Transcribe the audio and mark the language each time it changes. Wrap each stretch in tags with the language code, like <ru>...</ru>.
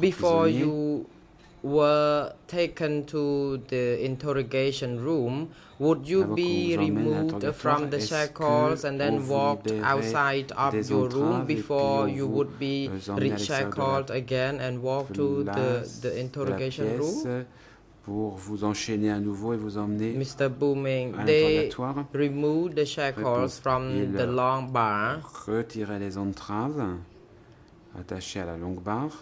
<en>before you were taken to the interrogation room, would you be removed from the shackles and then walked outside of your room before you would be re-shackled again and walked to the interrogation room?</en> <fr>Pour vous enchaîner à nouveau et vous emmener</fr> <en>Mr. Bumeng, they removed the shackles from the long bar.</en> <fr>Retirer les entraves attachées à la longue barre.</fr>